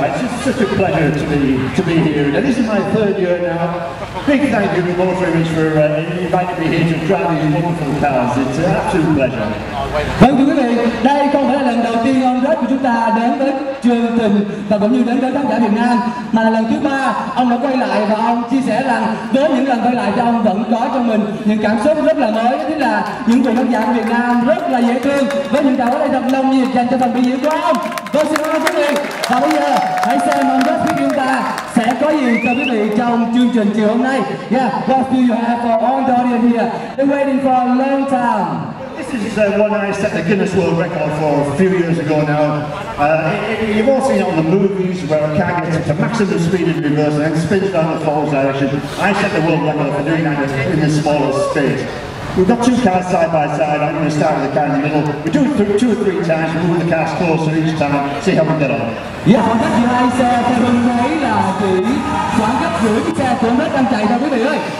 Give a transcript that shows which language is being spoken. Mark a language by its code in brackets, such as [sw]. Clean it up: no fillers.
[en] It's just such a pleasure to be here. And this is my third year now. Big thank you, Motor Image, for inviting me here to drive these wonderful cars. It's an absolute pleasure. [vi] Vâng thưa quý vị, đây không phải là lần đầu tiên ông Red của chúng ta đến với chương trình và cũng như đến với khán giả Việt Nam, mà là lần thứ ba ông đã quay lại và ông chia sẻ rằng với những lần quay lại thì ông vẫn có trong mình những cảm xúc rất là mới, chính là những người khán giả của Việt Nam rất là dễ thương. Với những đạo ở đây thật nồng nhiệt dành cho phần biểu diễn của ông. Vâng xin cảm ơn quý vị, và bây giờ hãy xem ông Red của chúng ta sẽ có gì cho quý vị trong chương trình chiều hôm nay. [en] Yeah, what do you have for all the audience here? They're waiting for a long time. This is one I set the Guinness World Record for a few years ago now. You've all seen it on the movies where a car gets to maximum speed in reverse and then spins down the forward direction. I set the world record for doing that in the smallest space. We've got two cars side by side. I'm going to start with the car in the middle. We do it through two or three times, moving the cars closer each time. See how we get on. [vi] Yeah, khoảng cách giữa hai xe theo tôi thấy là chỉ khoảng cách giữa cái xe của Red đang chạy thôi quý vị ơi.